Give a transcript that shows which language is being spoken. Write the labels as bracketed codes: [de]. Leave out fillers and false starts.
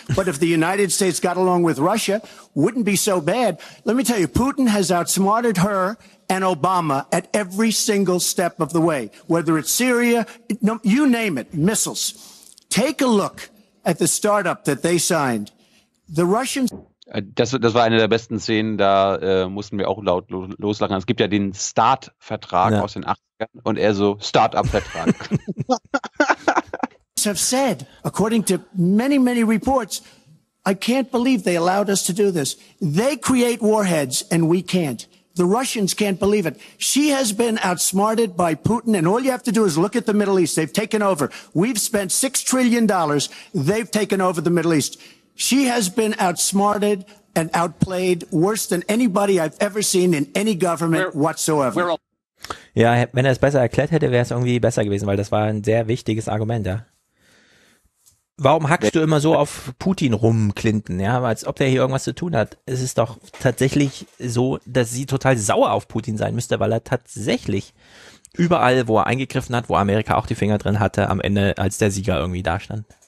[en] But if the United States got along with Russia, wouldn't be so bad. Let me tell you, Putin has outsmarted her and Obama at every single step of the way, whether it's Syria, you name it, missiles. Take a look at the startup that they signed. The Russians. [de] Das war eine der besten Szenen, da mussten wir auch laut loslachen. Es gibt ja den Start-Vertrag ja. aus den 80ern und er so Start-up-Vertrag. [en] Have said, according to many, many reports, I can't believe they allowed us to do this. They create warheads and we can't. The Russians can't believe it. She has been outsmarted by Putin, and all you have to do is look at the Middle East. They've taken over. We've spent $6 trillion. They've taken over the Middle East. She has been outsmarted and outplayed worse than anybody I've ever seen in any government whatsoever. [de] Ja, wenn er es besser erklärt hätte, wäre es irgendwie besser gewesen, weil das war ein sehr wichtiges Argument, ja. Warum hackst du immer so auf Putin rum, Clinton, ja, als ob der hier irgendwas zu tun hat? Es ist doch tatsächlich so, dass sie total sauer auf Putin sein müsste, weil er tatsächlich überall, wo er eingegriffen hat, wo Amerika auch die Finger drin hatte, am Ende als der Sieger irgendwie dastand.